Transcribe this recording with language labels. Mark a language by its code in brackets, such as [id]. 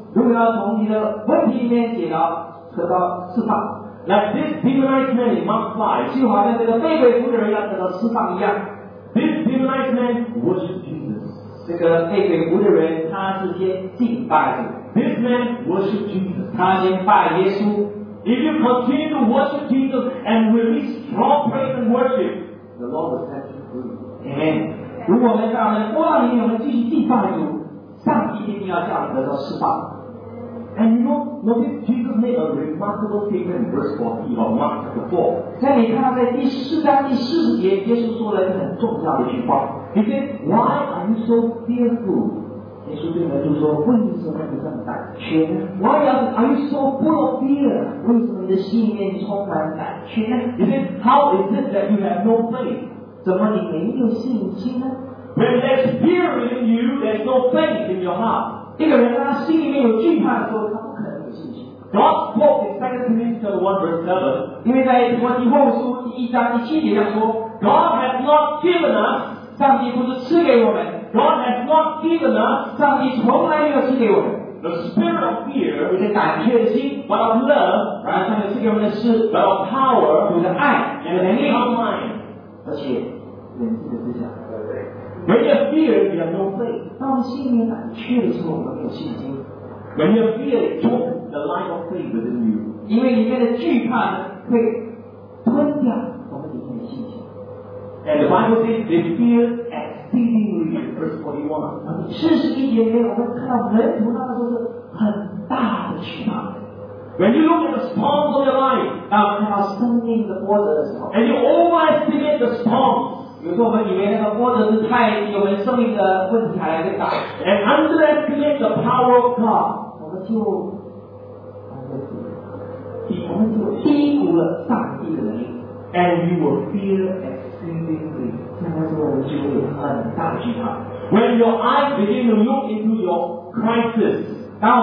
[zh] 如果要从你的问题里面解到，得到释放。 [en] Like this demonized man in Mark 5, [zh] 就好像这个被鬼附的人要得到释放一样, [en] this demonized man worshiped Jesus. [zh] 这个被鬼附的人他是先敬拜的, [en] this man worshiped Jesus. [zh] 他先拜耶稣, [en] if you continue to worship Jesus and release strong praise and worship, the Lord will set you free. Amen. [zh] 如果我们继续敬拜主, 上帝一定要叫你得到释放。 [en] And you know, notice Jesus made a remarkable statement in verse 40 of Mark chapter 4. [zh] 在你看到在第四章第四节, 耶稣说了一个很重要的句话。 [en] He said, why are you so fearful? [zh] 耶稣对门徒说, 为什么你这么胆怯? [en] Why are you so full of fear? [zh] 为什么你的心里面充满胆怯? [en] He said, how is it that you have no faith? [zh] 怎么你没有信心呢? [en] When there's fear in you, there's no faith in your heart. [zh] 一个人他心里面有惧怕的时候，他不可能有信心。 [en] God's book is 2 Timothy 1:7， [zh] 因为在提摩太后书第1章第7节上说， [en] God has not given us， [zh] 上帝不是赐给我们， [en] God has not given us， [zh] 上帝从来没有赐给我们， [en] the spirit of fear， [zh] 一个胆怯的心， [en] but of love， [zh] 然后上帝赐给我们的是， [en] but of power， [zh] 有着爱， [en] and a sound mind， [zh] 而且仁慈的思想。 [en] When you fear, you have no faith. [zh] 当心里胆怯的时候，没有信心。 [en] When you fear, took the light of faith within you. [zh] 因为里面的惧怕会吞掉我们里面的信心。 [en] And the Bible says they fear exceedingly. Verse 41. [zh] 41节里面，我们看到门徒那个时候是很大的惧怕。 [en] When you look at the storms of your life, [zh] 当看到生命的波折的时候， [en] and you overestimate the storms. [zh] 有时候我们里面那个波折是太有我们生命的问题还来打 [en] and underestimate the power of God, [zh] 我们就低估了上帝的能力。 [en] And you will feel exceedingly, [zh] 那时候我们就会很大惧怕。 [en] When your eyes begin to look into your crisis,